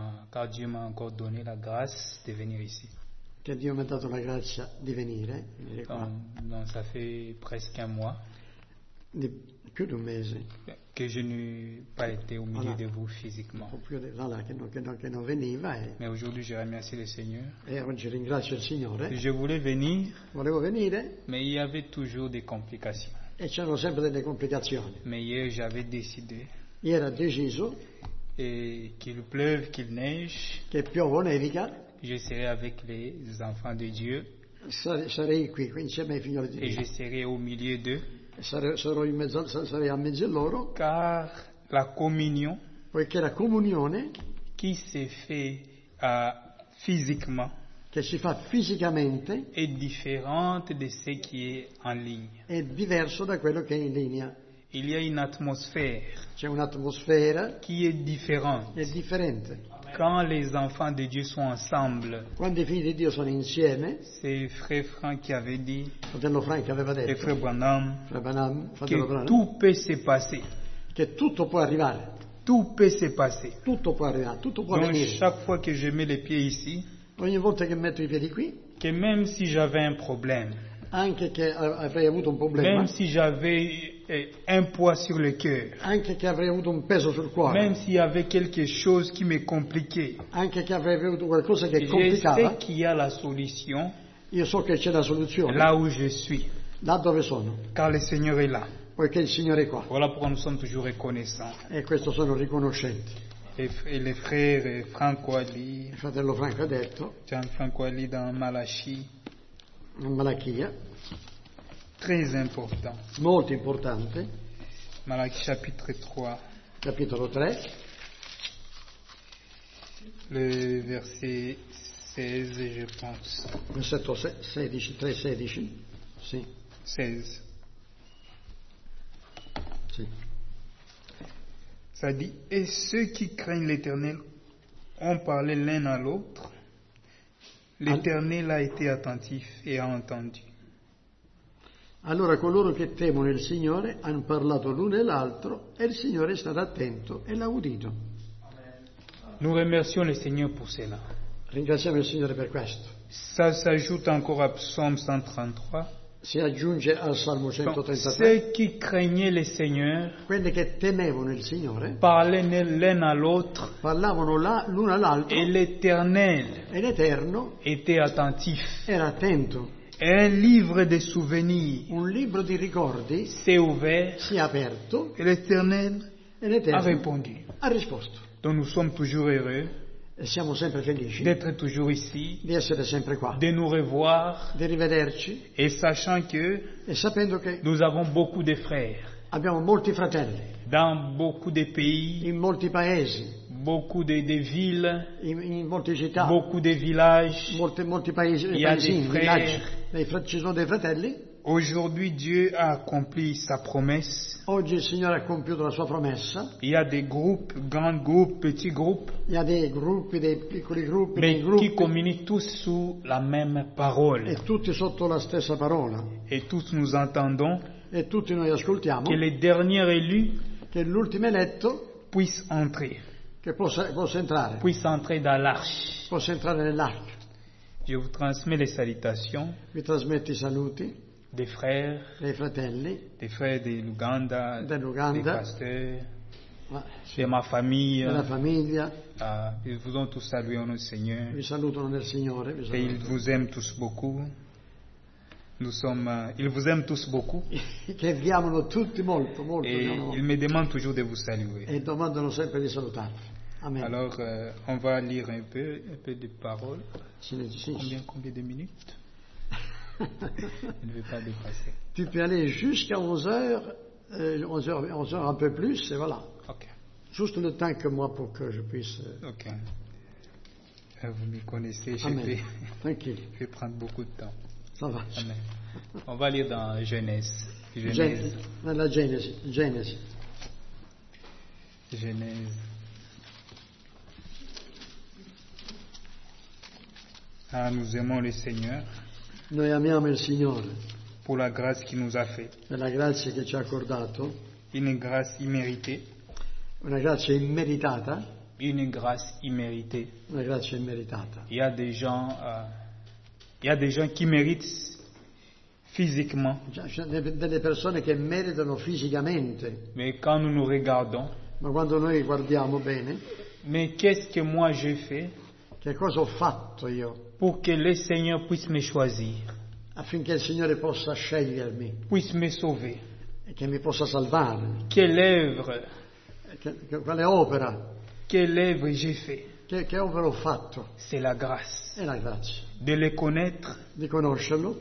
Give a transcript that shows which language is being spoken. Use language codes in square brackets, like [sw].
[fr] Car Dieu m'a encore donné la grâce de venir ici. [it] Che Dio mi ha dato la grazia di venire. Venire qua. [fr] Non, ça fait presque un mois. [it] Di più di un mese. [fr] Che je n'ai pas été au milieu de vous physiquement. [it] Che non veniva. [fr] Mais aujourd'hui je remercie le Seigneur. [it] E oggi ringrazio il Signore. [fr] Je voulais venir. [it] Volevo venire. [fr] Mais il y avait toujours des complications. [it] E c'erano sempre delle complicazioni. [fr] Mais hier j'avais décidé. [it] Ieri ho deciso. [fr] Et qu'il pleuve, qu'il neige. [it] Che piova o nevica. [fr] Je serai avec les enfants de Dieu. [it] Sarei qui, insieme ai figlioli di Dio. [fr] Et je serai au milieu d'eux. [it] Sarei a mezzo loro. [fr] Car la communion. [it] Poiché la comunione. [fr] Qui se fait physiquement. [it] Che si fa fisicamente. È differente [fr] de ce qui est en ligne. [it] È diverso da quello che è in linea. [fr] Il y a une atmosphère. [it] C'è un'atmosfera [fr] qui est différente. [it] È differente. [fr] Quand les enfants de Dieu sont ensemble. [it] Quando i figli di Dio sono insieme. [fr] C'est frère Frank qui avait dit. [it] Fratello Frank aveva detto. [fr] Et frère Branham. Frère Branham. Che tout peut se passer. [it] Che tutto può arrivare. [fr] Tout peut se passer. [it] Tutto può arrivare. Tutto può venire. [fr] Donc chaque fois que je mets les pieds ici. [it] Ogni volta che metto i piedi qui. [fr] Che même si j'avais un problème. [it] Anche che avrei avuto un problema. [fr] Même si j'avais un poids sur le cœur. [it] Anche che avrei avuto un peso sul cuore. [fr] Même s'il y avait quelque chose qui me compliquait. [it] Anche che avrei avuto qualcosa che complicava. [fr] Je sais qu'il y a la solution. [it] Io so che c'è la soluzione. [fr] Là où je suis. [it] Là dove sono. [fr] Car le Seigneur est là. [it] Poiché il Signore è qua. [fr] Voilà pourquoi nous sommes toujours reconnaissants. [it] E questo sono riconoscenti. [fr] Et le frère Franco Ali. [it] Il fratello Franco ha detto. [fr] Gian Franco Ali dans Malachi. [it] Malachia. [fr] Très important. [it] Molto importante. [fr] Malachi chapitre 3. [it] Capitolo 3. [fr] Le verset 16, je pense. [it] Versetto 16, 3, 16. Sì. 16. Sì. [fr] Ça dit, et ceux qui craignent l'Éternel ont parlé l'un à l'autre. L'Eternel a été attentif et a entendu. [it] Allora coloro che temono il Signore hanno parlato l'uno e l'altro e il Signore è stato attento e l'ha udito. [fr] Nous remercions le Seigneur pour cela. [it] Ringraziamo il Signore per questo. [fr] Ça s'ajoute encore au Psaume 133. [it] Si aggiunge al Salmo 133. Donc, [fr] ceux qui craignaient le Seigneur, [it] quelli che temevano il Signore, [fr] parlaient l'un à l'autre, [it] parlavano l'uno all'altro, [fr] et l'Éternel, et [it] l'Eterno, [fr] était attentif, [it] era attento, [fr] et un livre de souvenirs, [it] un libro di ricordi, [fr] s'est ouvert, [it] si è aperto, [fr] et l'Éternel, [it] et l'Eterno, [fr] a répondu, [it] ha risposto. [fr] Donc nous sommes toujours heureux. [it] Siamo sempre felici [fr] d'être toujours ici, [it] di essere sempre qua, [fr] de nous revoir, [it] di rivederci, [fr] et sachant que, [it] e sapendo che [fr] nous avons beaucoup de frères, [it] abbiamo molti fratelli, [fr] dans beaucoup de pays, [it] in molti paesi, [fr] beaucoup de villes, [it] in molte città, [fr] beaucoup de villages, [it] molti paesi, [fr] il y a des frères, [it] ci sono dei fratelli. [fr] Aujourd'hui Dieu a accompli sa promesse. [it] Oggi il Signore ha compiuto la sua promessa. [fr] Il y a des groupes, grands groupes, petits groupes. Il y a [it] dei gruppi, dei piccoli gruppi, [fr] mais [it] dei gruppi. [fr] Qui communiquent tous sous la même parole. [it] E tutti sotto la stessa parola. [fr] Et tous nous entendons. [it] E tutti noi ascoltiamo. [fr] Che les derniers élus, [it] che l'ultimo eletto, [fr] puisse entrer. [it] Che possa entrare. [fr] Puisse entrer dans l'arche. [it] Possa entrare nell'arca. [fr] Je vous transmets les salutations. [it] Vi trasmetto i saluti. [fr] Des frères, [it] dei fratelli, [fr] des frères de l'Uganda, des pasteurs, de ma famille, [it] de la famiglia, [fr] ils vous ont tous salué au Seigneur, [it] vi salutano nel Signore, vi salutano. [fr] Et ils vous aiment tous beaucoup, nous sommes, ils vous aiment tous beaucoup, [it] che vi amano tutti molto, molto, [fr] et ils me demandent toujours de vous saluer, [it] e domandano sempre di salutarvi. [fr] Amen. Alors, on va lire un peu de paroles, combien de minutes? Il ne veut pas dépasser. Tu peux aller jusqu'à 11h un peu plus, et voilà. Okay. Juste le temps que moi pour que je puisse. Ok. Vous me connaissez, tranquille. Je vais prendre beaucoup de temps. Ça va. Amen. On va lire dans Genèse. Dans la Genèse. Genèse. Genèse. Ah, nous aimons le Seigneur. [it] Noi amiamo il Signore. [fr] Pour la grâce qu'il nous a fait. [it] Per la grazia che ci ha accordato. [fr] Une grâce imméritée. [it] Una grazia immeritata. [fr] Une grâce imméritée. [it] Una grazia immeritata. [fr] Il y a des gens qui méritent physiquement. [it] Delle persone che meritano fisicamente. [fr] Mais quand nous regardons. [it] Ma quando noi guardiamo bene. [fr] Mais qu'est-ce que moi j'ai fait? [it] Che cosa ho fatto io? [fr] Pour que le Seigneur puisse me choisir. [it] Affinché il Signore possa scegliermi. [fr] Puisse me sauver. [it] E che mi possa salvare. [fr] Quelle œuvre. [it] Quale opera. [fr] Quelle œuvre j'ai fait. [it] Che opera ho fatto. [fr] C'est la grâce. [it] È la grazia. [fr] De le connaître. [it] Di conoscerlo.